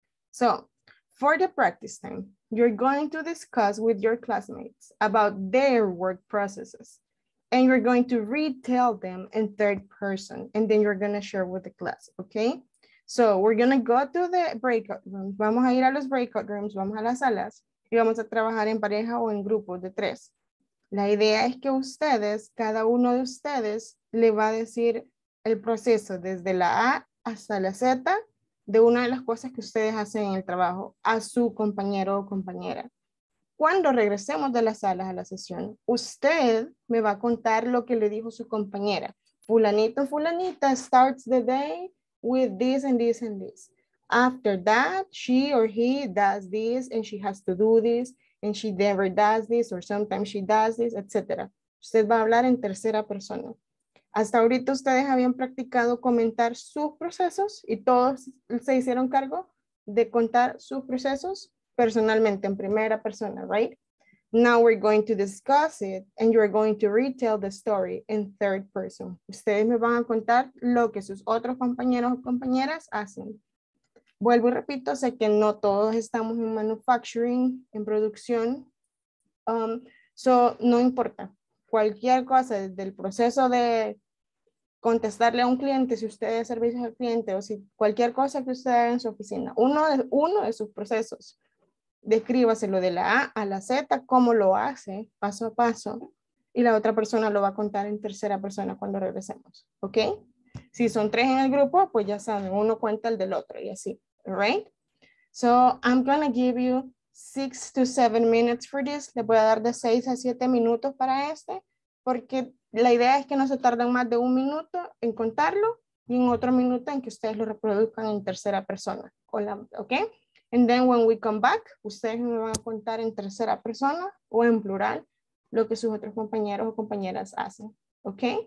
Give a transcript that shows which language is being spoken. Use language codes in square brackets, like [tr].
[en] So for the practice time, you're going to discuss with your classmates about their work processes, and you're going to retell them in third person, and then you're gonna share with the class, okay? So we're gonna go to the breakout rooms. [es] Vamos a ir a los breakout rooms, vamos a las salas, y vamos a trabajar en pareja o en grupos de tres. La idea es que ustedes, cada uno de ustedes, le va a decir el proceso desde la A hasta la Z, de una de las cosas que ustedes hacen en el trabajo a su compañero o compañera. Cuando regresemos de las salas a la sesión, usted me va a contar lo que le dijo su compañera. [en] Fulanito, fulanita starts the day with this and this and this. After that, she or he does this and she has to do this and she never does this or sometimes she does this, etc. [es] Usted va a hablar en tercera persona. Hasta ahorita ustedes habían practicado comentar sus procesos y todos se hicieron cargo de contar sus procesos personalmente, en primera persona, right? [en] Now we're going to discuss it and you're going to retell the story in third person. [es] Ustedes me van a contar lo que sus otros compañeros o compañeras hacen. Vuelvo y repito, sé que no todos estamos en manufacturing, en producción. So no importa. Cualquier cosa del proceso de contestarle a un cliente, si usted es servicio al cliente o si cualquier cosa que usted haga en su oficina, uno de sus procesos, descríbaselo de la A a la Z, cómo lo hace paso a paso, y la otra persona lo va a contar en tercera persona cuando regresemos, ¿ok? Si son tres en el grupo, pues ya saben, uno cuenta el del otro y así, right? [en] So I'm gonna give you 6 to 7 minutes for this. [es] Le voy a dar de 6 a 7 minutos para este, porque la idea es que no se tarden más de un minuto en contarlo y en otro minuto en que ustedes lo reproduzcan en tercera persona. ¿Ok? [en] And then when we come back, [es] ustedes me van a contar en tercera persona o en plural lo que sus otros compañeros o compañeras hacen. ¿Ok?